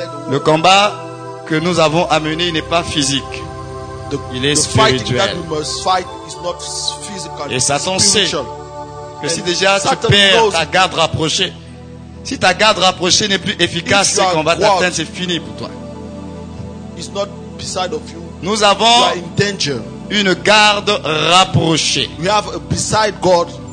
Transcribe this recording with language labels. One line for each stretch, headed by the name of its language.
French: Le combat que nous avons à mener n'est pas physique. Il est spirituel.
English: That we must fight is not physical.
French: Et Satan sait que si déjà tu perds ta garde rapprochée, si ta garde rapprochée n'est plus efficace, ce combat t'atteindre, c'est fini pour toi.
English: It's not beside of you.
French: Nous avons
English: you are in danger.
French: Une garde rapprochée.
English: We have a beside God